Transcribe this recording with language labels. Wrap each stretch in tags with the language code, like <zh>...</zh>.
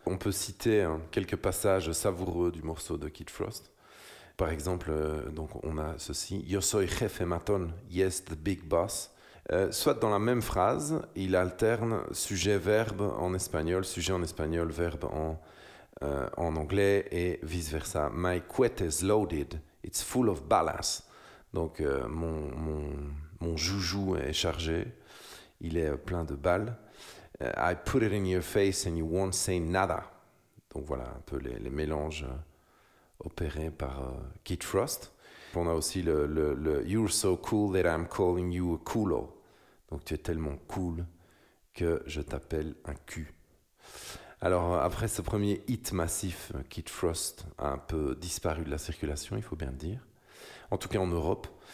<fr>On peut citer quelques passages savoureux du morceau de Kid Frost. Par exemple, donc on a ceci:</fr> <es>Yo soy jefe matón,</es> <en>yes the big boss.</en> <fr>Soit dans la même phrase, il alterne sujet-verbe en espagnol, sujet en espagnol, verbe en anglais et vice-versa.</fr> <en>My cuete is loaded, it's full of ballast.</en> <fr>Donc mon joujou est chargé, il est plein de balles.</fr> <en>I put it in your face and you won't say nada.</en> <fr>Donc voilà un peu les mélanges opérés par Keith Frost. On a aussi le</fr> <en>You're so cool that I'm calling you a coolo.</en> <fr>Donc tu es tellement cool que je t'appelle un cul. Alors après ce premier hit massif, Keith Frost a un peu disparu de la circulation, il faut bien le dire. En tout cas en Europe.</fr>